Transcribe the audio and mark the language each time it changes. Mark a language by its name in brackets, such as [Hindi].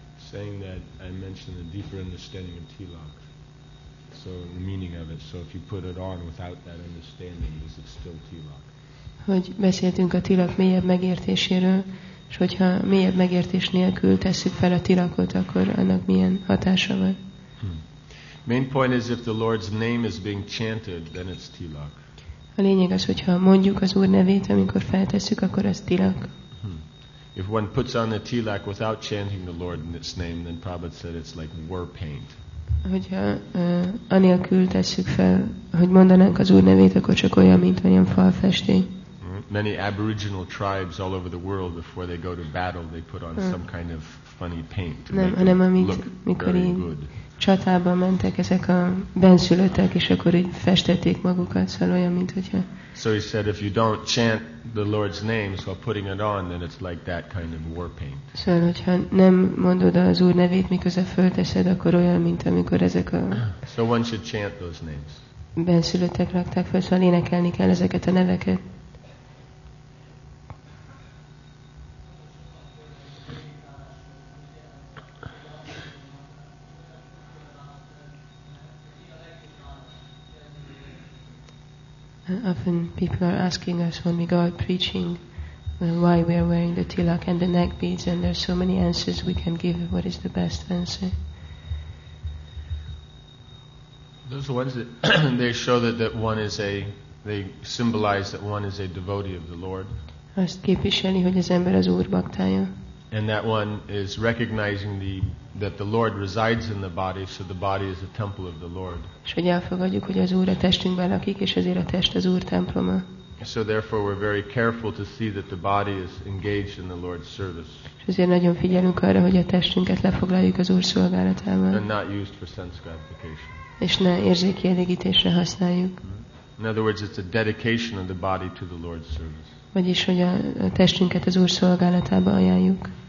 [English] Saying that I mentioned a deeper understanding of Tilak. So the meaning of it. So if you put it on without that understanding, is it still Tilak? [Hungarian] Hogy beszéltünk a Tilak mélyebb megértéséről, és hogyha mélyebb megértés nélkül tesszük fel a Tilakot, akkor annak milyen hatása van? [English] Main point is if the Lord's name is being chanted, then it's Tilak. [Hungarian] A lényeg az, hogyha mondjuk az Úr nevét, amikor feltesszük, akkor az Tilak. [English] If one puts on the tilak without chanting the Lord's name, then Prabhupada said it's like war paint. [Hungarian] Hogyha anélkül tesszük fel, hogy mondanánk az Úr nevét, akkor csak olyan, mint olyan falfestény. [English] Many aboriginal tribes all over the world, before they go to battle, they put on some kind of funny paint to [Hungarian] nem, [English] make them look [Hungarian] mikor [English] very good. [Hungarian] Csatába mentek ezek a benszülöttek, és akkor így festették magukat, szóval olyan, mint hogyha... [English] So he said, if you don't chant the Lord's name while putting it on, then it's like that kind of war paint. [Hungarian] Szóval, hogyha nem mondod az Úr nevét, miközben fölteszed, akkor olyan, mint amikor ezek a... [English] So one should chant those names. [Hungarian] Benszülöttek rakták fel, szóval énekelni kell ezeket a neveket. [English] Often people are asking us when we go out preaching why we are wearing the tilak and the neck beads, and there's so many answers we can give. What is the best answer? Those ones that they show that one is a, they symbolize that one is a devotee of the Lord. [Hungarian] Azt képviseli, hogy az ember az Úr baktája. [English] And that one is recognizing that the Lord resides in the body, so the body is a temple of the Lord. [Hungarian] És hogy elfogadjuk, hogy az Úr a testünkben lakik, és ezért a test az Úr temploma. [English] So therefore we're very careful to see that the body is engaged in the Lord's service. [Hungarian] És ezért nagyon figyelünk arra, hogy a testünket lefoglaljuk az Úr szolgálatában. [English] And not used for sense gratification. [Hungarian] És ne érzékielégítésre használjuk. [English] In other words, it's a dedication of the body to the Lord's service. [Hungarian] Vagyis, hogy a testünket az Úr szolgálatába ajánljuk.